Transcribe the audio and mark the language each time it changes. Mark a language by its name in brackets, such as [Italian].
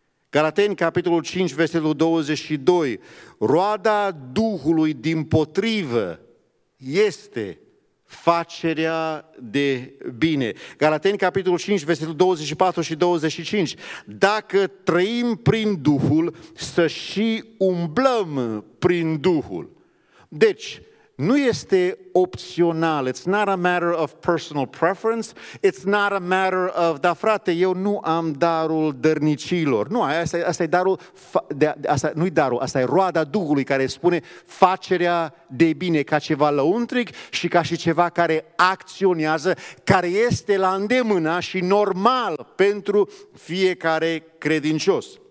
[Romanian] Galateni, capitolul 5, versetul 22, roada Duhului dimpotrivă este facerea de bine. Galateni, capitolul 5, versetul 24 și 25. Dacă trăim prin Duhul, să și umblăm prin Duhul. Deci, nu este opțional. [English] It's not a matter of personal preference. It's not a matter of, [Romanian] da frate, eu nu am darul dărnicilor. Nu, asta e darul, nu-i darul, asta e roada Duhului care spune facerea de bine ca ceva lăuntric și ca și ceva care acționează, care este la îndemână și normal pentru fiecare credincios.